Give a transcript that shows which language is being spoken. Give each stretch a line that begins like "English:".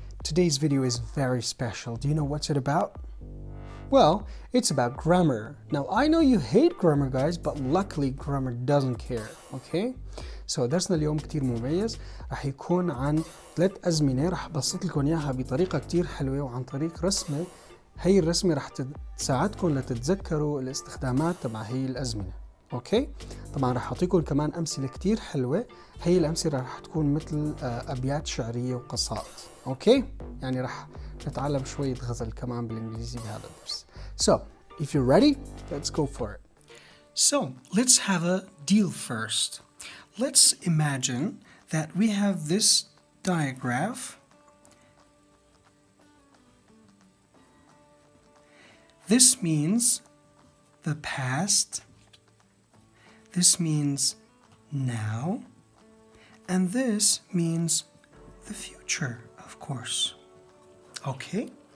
English: Today's video is very special. Do you know what's it about? Well, it's about grammar. Now, I know you hate grammar, guys, but luckily grammar doesn't care, okay?
Arabic: So, درسنا اليوم كتير مميز رح يكون عن ثلاث أزمنة رح بسط لكم إياها بطريقة كتير حلوة وعن طريق رسمة هاي الرسمة رح تساعدكم لتتذكروا الاستخدامات تبع هاي الأزمنة اوكي طبعا راح اعطيكم كمان امثله كتير حلوه هي الامثله راح تكون مثل ابيات شعريه وقصائد اوكي يعني راح نتعلم شويه غزل كمان بالانجليزي بهذا الدرس
English: So if you're ready let's go for it So let's have a deal first Let's imagine that we have this diagram This means the past This means now, and this means the future, of course. Okay?